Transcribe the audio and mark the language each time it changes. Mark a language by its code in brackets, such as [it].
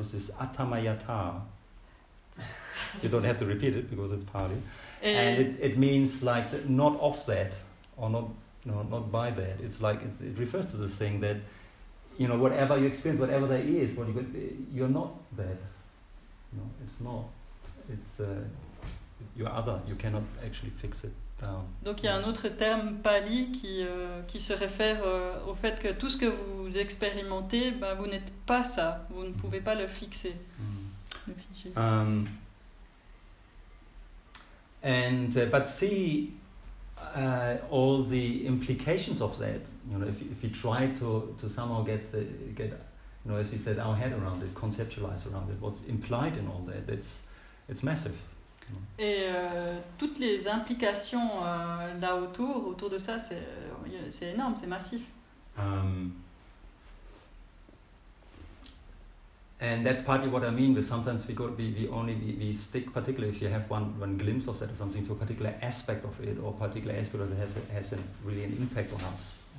[en] Is this atamayata? You don't have to repeat it because it's Pali, and it means like not of that or not by that. It's like it refers to the thing that, you know, whatever you experience, whatever there is, what you're not that. No, it's not. It's you're other, you cannot actually fix it down. [fr] Donc il y a un autre terme pali qui se réfère au fait que tout ce que vous expérimentez, ben, vous n'êtes pas ça, vous ne pouvez pas le fixer. Mm. [en] But see all the implications of that. You know, if you try to somehow get, you know, as we said, our head around it, conceptualize around it, what's implied in all that, it's massive. [fr] Et toutes les implications là autour de ça, c'est énorme, c'est massif. [en] And that's partly what I mean. But sometimes we could we stick, particularly if you have one glimpse of that or something, to a particular aspect of it or a particular aspect that has a really an impact on us.